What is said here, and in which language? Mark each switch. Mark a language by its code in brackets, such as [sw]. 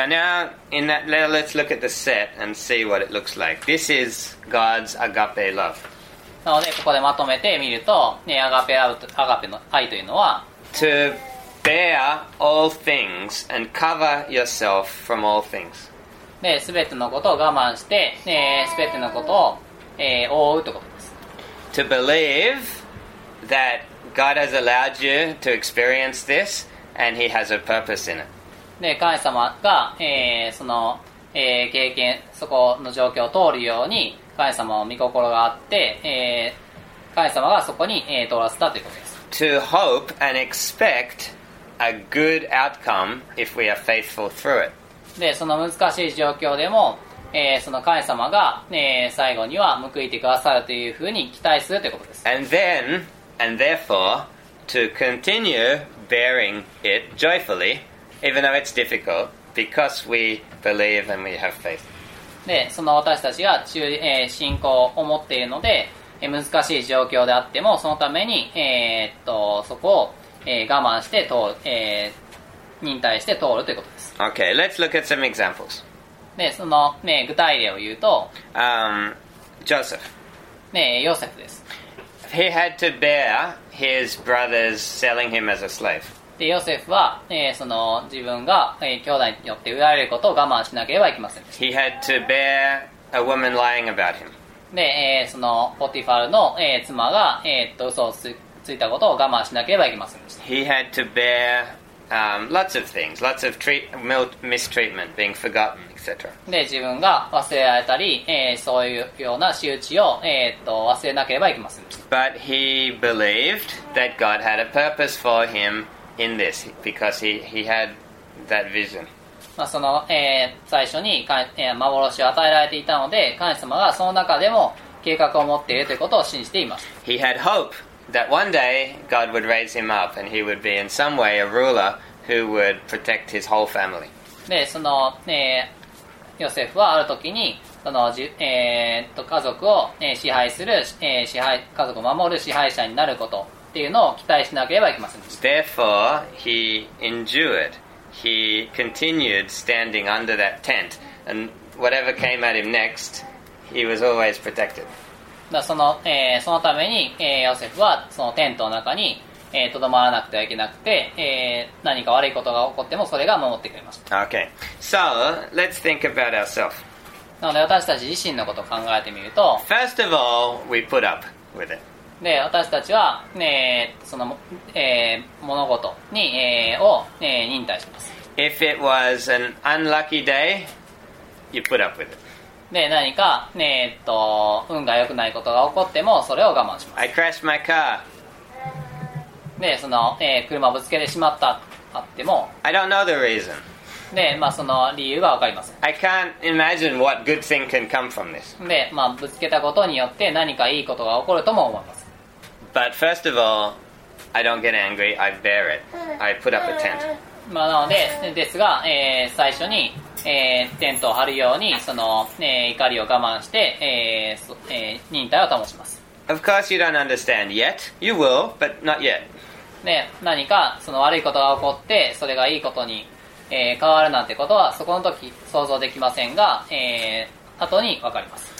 [en] Okay, so now in that letter, let's look at the set and see what it looks like. This is God's agape love. [ja] なのでここでまとめてみると、アガペの愛というのは [en] To bear all things and cover yourself from all things. [ja] で、全てのことを我慢して、全てのことを、覆うということです。 [en] To believe thatGod has allowed you to experience this, and He has a purpose in it. [ja] で、神様が、その、経験、そこの状況を通るように、神様の御心があって、神様がそこに、通らせたということです。 [en] To hope and expect a good outcome if we are faithful through it. [ja] で、その難しい状況でも、その神様が、最後には報いてくださるというふうに期待するということです。 [en] And then, and therefore, to continue bearing it joyfully, even though it's difficult, because we believe and we have faith. [ja] で、その私たちが信仰を持っているので、難しい状況であっても、そのために、そこを、我慢して通る、忍耐して通るということです。 [en] Okay, let's look at some examples. [ja] で、その、具体例を言うと、 [en] Joseph. [ja] ヨセフです。 [en] He had to bear his brothers selling him as a slave. [ja] で、ヨセフは、その自分が、兄弟によって売られることを我慢しなければいけませんでした。 [en] He had to bear a woman lying about him. [ja] で、そのポティファルの、妻が、嘘を ついたことを我慢しなければいけませんでした。 [en] He had to bear, lots of things, lots of mistreatment, being forgotten, etc. [ja] で、自分が忘れられたり、そういうような仕打ちを、忘れなければいけませんでした。 [en] But he believed that God had a purpose for him in this because he had that vision. [ja] まあ、その、最初に、幻を与えられていたので神様がその中でも計画を持っているということを信じています。 [en] He had hope that one day God would raise him up and he would be in some way a ruler who would protect his whole family. [ja] で、その、ヨセフはある時にその、家族を、支配する、支配、家族を守る支配者になることっていうのを期待しなければいけませんでした。 [en] Therefore he endureDHe continued standing under that tent, and whatever came at him next, he was always protected. [ja] その、そのために、ヨセフはそのテントの中に、とどまらなくてはいけなくて、何か悪いことが起こってもそれが守ってくれました。 [en] Okay. So, let's think about ourselves. [ja] なので私たち自身のことを考えてみると、 [en] First of all, we put up with it. [ja] で、私たちは、その、物事に、を、忍耐します。 [en] If it was an unlucky day, you put up with it. [ja] で、何か、運が良くないことが起こっても、それを我慢します。 [en] I crashed my car. [ja] で、その、車ぶつけてしまったあっても、 [en] I don't know the reason. [ja] で、まあ、その理由がわかりません。 [en] I can't imagine what good thing can come from this. [ja] で、まあ、ぶつけたことによって何かいいことが起こるとも思います。 [en] But first of all, I don't get angry, I bear it. I put up a tent. [ja] まあなので、ですが、最初に、テントを張るように、その、怒りを我慢して、忍耐を保ちます。 [en] Of course you don't understand yet. You will, but not yet. [ja] で、何かその悪いことが起こって、それがいいことに、変わるなんてことは、そこの時想像できませんが、後にわかります。